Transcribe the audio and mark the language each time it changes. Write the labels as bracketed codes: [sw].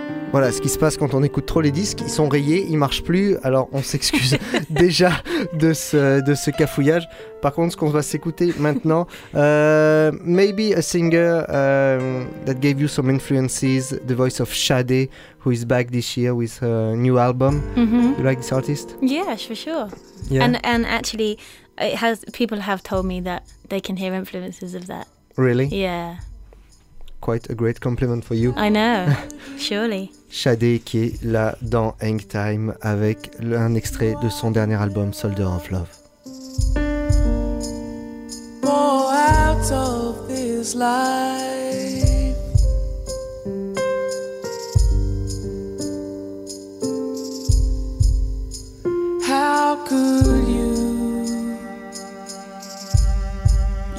[fr] Voilà, ce qui se passe quand on écoute trop les disques, ils sont rayés, ils marchent plus, alors on s'excuse déjà de ce cafouillage. Par contre, ce qu'on va s'écouter maintenant, [en] maybe a singer that gave you some influences, the voice of Sade, who is back this year with her new album. Mm-hmm. You like this artist? Yeah, for sure. Yeah. And actually, people have told me that they can hear influences of that. Really? Yeah. quite a great compliment for you. I know, surely. [fr] Shadé qui est là dans Hang Time avec un extrait de son dernier album Soldier of Love. [en] Pour out of this life, how could you?